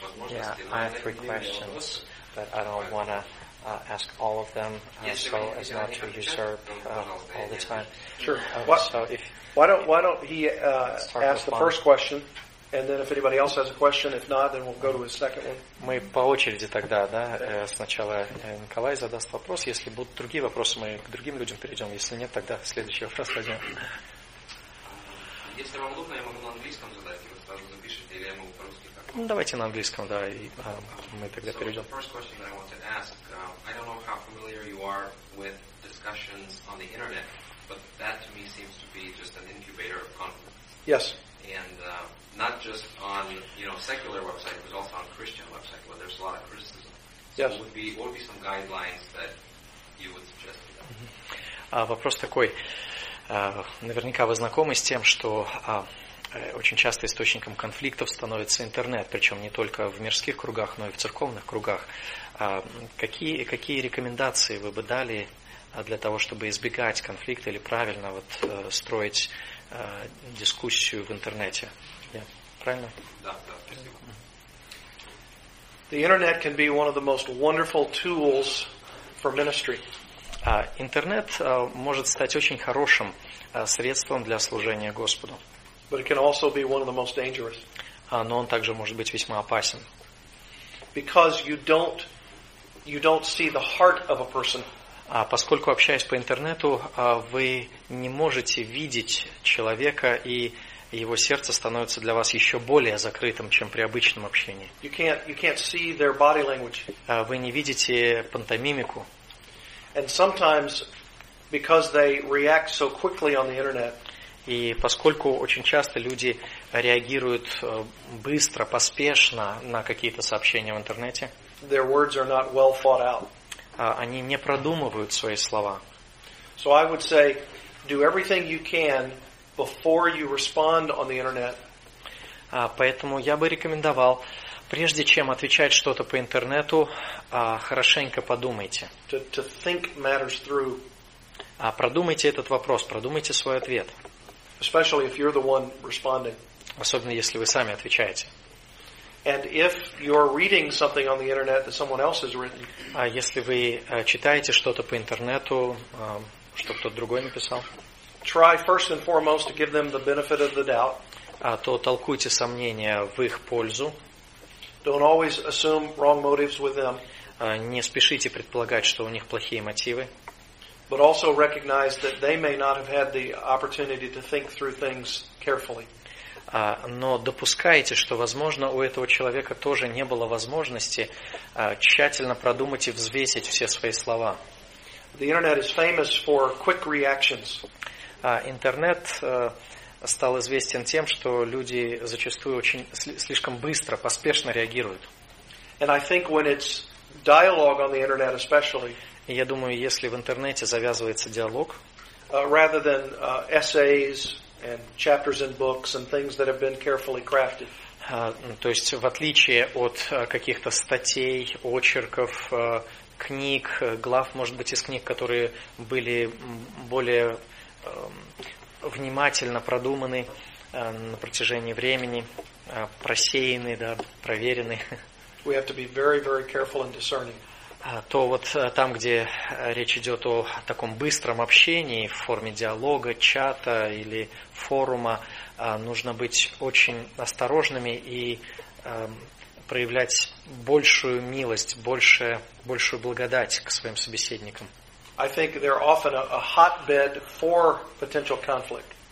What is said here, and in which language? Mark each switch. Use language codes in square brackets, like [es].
[en] Yeah, I have three questions, but I don't want to ask all of them, so as not to usurp all the time. Sure. Why don't he ask the first question, and then if anybody else has a question, if not, then we'll go to his second one. [ru] Мы по очереди тогда, да? Сначала Николай задаст вопрос. Если будут другие вопросы, мы к другим людям перейдем. Если нет, тогда следующий вопрос пойдем. Если вам удобно, я могу на английском задать, вы сразу запишите, или я могу по-русски так? Ну, давайте на английском, да, и мы тогда перейдем. [en] So the first question that I want to ask, I don't know how familiar you are with discussions on the internet, but that to me seems to be just an incubator of conflicts. Yes. And not just on, you know, secular website, but also on Christian website, where there's a lot of criticism. Yes. So what would be some guidelines that you would suggest? [ru] Вопрос такой. Наверняка вы знакомы с тем, что очень часто источником конфликтов становится интернет, причем не только в мирских кругах, но и в церковных кругах. Какие рекомендации вы бы дали для того, чтобы избегать конфликта или правильно вот строить дискуссию в интернете? Правильно? Да. [en] The internet can be one of the most wonderful tools for ministry. [ru] Интернет может стать очень хорошим средством для служения Господу. [en] But it can also be one of the most dangerous. [ru] Но он также может быть весьма опасен. [en] Because you don't see the heart of a person. [ru] Поскольку общаясь по интернету, вы не можете видеть человека, и его сердце становится для вас еще более закрытым, чем при обычном общении. [en] You can't see their body language. [ru] Вы не видите пантомимику. [en] And sometimes, because they react so quickly on the internet, [ru] и поскольку очень часто люди реагируют быстро, поспешно на какие-то сообщения в интернете, [en] their words are not well thought out. [ru] Они не продумывают свои слова. [en] So I would say, do everything you can before you respond on the internet. [ru] Поэтому я бы рекомендовал, прежде чем отвечать что-то по интернету, хорошенько подумайте. [en] To think matters through. [ru] Продумайте этот вопрос, продумайте свой ответ. [en] Especially if you're the one responding. [ru] Особенно если вы сами отвечаете. [en] And if you're reading something on the internet that someone else has written. [ru] Если вы читаете что-то по интернету, что кто-то другой написал. [en] Try first and foremost to give them the benefit of the doubt. [ru] То толкуйте сомнения в их пользу. [en] Don't always assume wrong motives with them. [ru] Не спешите предполагать, что у них плохие мотивы. [en] But also recognize that they may not have had the opportunity to think through things carefully. [ru] Но допускайте, что, возможно, у этого человека тоже не было возможности тщательно продумать и взвесить все свои слова. [en] The internet is famous for quick reactions. [ru] Интернет стал известен тем, что люди зачастую очень слишком быстро, поспешно реагируют. [en] And I think when it's dialogue on the internet especially, [ru] я думаю, если в интернете завязывается диалог, [en] rather than essays and chapters in books and things that have been carefully crafted, [ru] То есть в отличие от каких-то статей, очерков, книг, глав, может быть, из книг, которые были более внимательно продуманы на протяжении времени, просеяны, да, проверены. [en] We have to be very, very careful and discerning. [ru] То вот там, где речь идет о таком быстром общении в форме диалога, чата или форума, нужно быть очень осторожными и проявлять большую милость, большую благодать к своим собеседникам. [en] I think they're often a hotbed for potential conflict.